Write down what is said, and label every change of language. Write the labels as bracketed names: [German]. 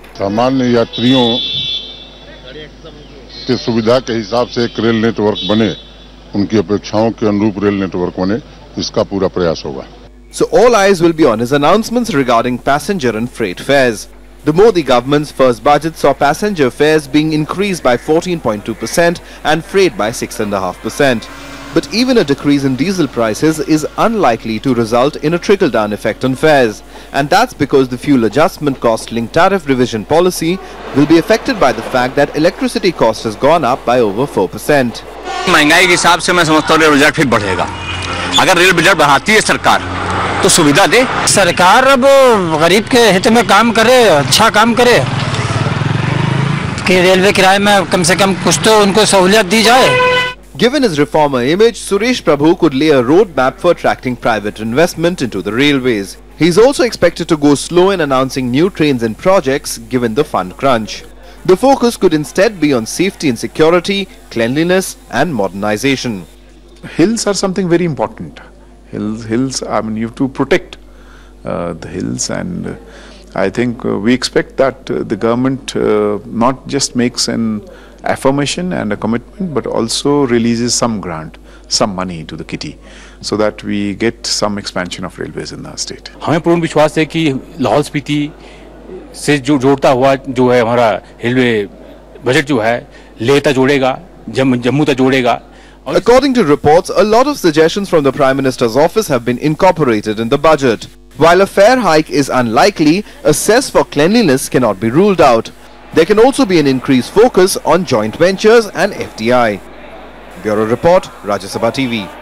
[Hindi] सामान्य यात्रियों की सुविधा के हिसाब से एक रेल नेटवर्क बने, उनकी अपेक्षाओं के अनुरूप रेल नेटवर्क बने, इसका पूरा प्रयास होगा। [English] So all eyes will be on his announcements regarding passenger and freight fares. The Modi government's first budget saw passenger fares being increased by 14.2% and freight by 6.5%. But even a decrease in diesel prices is unlikely to result in a trickle-down effect on fares. And that's because the fuel adjustment cost linked tariff revision policy will be affected by the fact that electricity cost has gone up by over 4%. [Hindi] महंगाई के हिसाब से मैं समझता हूँ rail budget फिर बढ़ेगा। अगर रेल बजट बढ़ाती है सरकार, तो सुविधा दे। सरकार अब गरीब के हित में काम करे, अच्छा काम करे। कि रेलवे किराये में कम से कम कुछ तो उनको सहूलियत दी जाए। [English] Given his reformer image, Suresh Prabhu could lay a roadmap for attracting private investment into the railways. He is also expected to go slow in announcing new trains and projects given the fund crunch. The focus could instead be on safety and security, cleanliness and modernization. Hills are something very important. Hills, I mean, you have to protect the hills, and I think we expect that the government not just makes an affirmation and a commitment, but also releases some grant, some money to the kitty, so that we get some expansion of railways in our state. [Hindi] हमें पूर्ण विश्वास है कि लाहौल स्पीति से जो जोड़ता हुआ जो है हमारा रेलवे बजट जो है लेता जोड़ेगा जम्मू तक जोड़ेगा. [English] According to reports, a lot of suggestions from the Prime Minister's office have been incorporated in the budget. While a fare hike is unlikely, a cess for cleanliness cannot be ruled out. There can also be an increased focus on joint ventures and FDI. Bureau Report, Rajya Sabha TV.